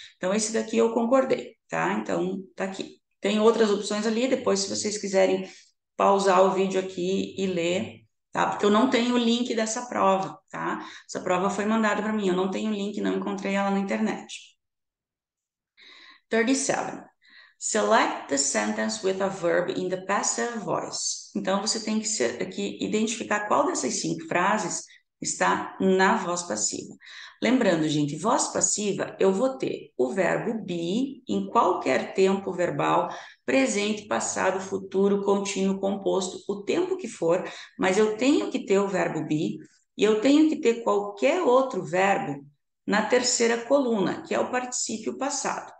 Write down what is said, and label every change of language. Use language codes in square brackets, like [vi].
[pt] Então, esse daqui eu concordei, tá? Então, tá aqui. Tem outras opções ali, depois, se vocês quiserem pausar o vídeo aqui e ler. Tá? Porque eu não tenho o link dessa prova, tá? Essa prova foi mandada para mim, eu não tenho o link, não encontrei ela na internet. 37. [en] Select the sentence with a verb in the passive voice. [pt] Então, você tem que identificar qual dessas cinco frases está na voz passiva. Lembrando, gente, voz passiva, eu vou ter o verbo be em qualquer tempo verbal, presente, passado, futuro, contínuo, composto, o tempo que for, mas eu tenho que ter o verbo be e eu tenho que ter qualquer outro verbo na terceira coluna, que é o particípio passado.